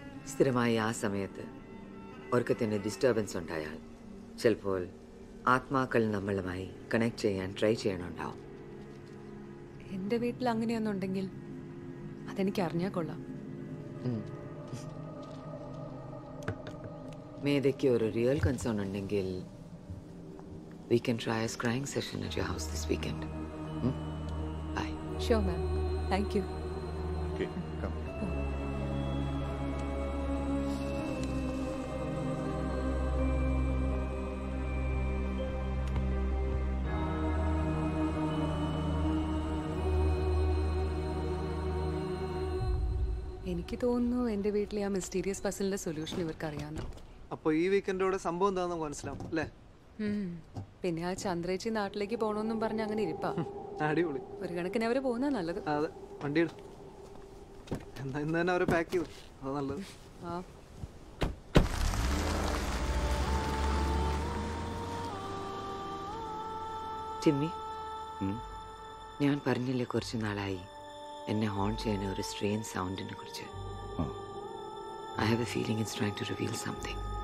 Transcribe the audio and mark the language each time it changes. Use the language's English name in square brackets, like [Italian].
[Malayalam] സ്ഥിരമായി ആ സമയത്ത് ഉറക്കത്തിൻ്റെ ഡിസ്റ്റർബൻസ് ഉണ്ടായാൽ ചിലപ്പോൾ ആത്മാക്കൾ നമ്മളുമായി കണക്ട് ചെയ്യാൻ ട്രൈ ചെയ്യണുണ്ടാവും. എൻ്റെ വീട്ടിൽ അങ്ങനെയൊന്നും ഉണ്ടെങ്കിൽ അതെനിക്ക് അറിഞ്ഞാൽ കൊള്ളാം. മേധയ്ക്ക് ഒരു റിയൽ കൺസേൺ ഉണ്ടെങ്കിൽ [English] We can try a scrying session at your house this weekend. Bye. Sure, ma'am. Thank you. Okay, come. [Malayalam] എനിക്ക് തോന്നുന്നു എന്റെ വീട്ടിലെ ആ മിസ്റ്റീരിയസ് പസിലിന്റെ സൊല്യൂഷൻ ഇവർക്കറിയാമെന്ന്. അപ്പോ ഈ വീക്കെൻഡോടെ സംഭവം എന്താന്ന് മനസ്സിലാവും അല്ലേ? പിന്നെ ആ ചന്ദ്രേച്ചി നാട്ടിലേക്ക് പോണോന്നും പറഞ്ഞ അങ്ങനെ ഇരിപ്പാ. അടിപൊളി, ഒരു കണക്കിന് അവര് പോകുന്ന നല്ലത്. അതെ, വണ്ടി എന്താ ഇന്ന് തന്നെ അവരെ പാക്ക് ചെയ്തു, അത് നല്ലത്. ടിമ്മി, ഞാൻ പറഞ്ഞില്ലേ കുറച്ച് നാളായി എന്നെ ഹോൺ ചെയ്യുന്ന ഒരു സ്ട്രെയിൻ സൗണ്ടിനെ കുറിച്ച്. [English] I have a feeling it's trying to reveal something.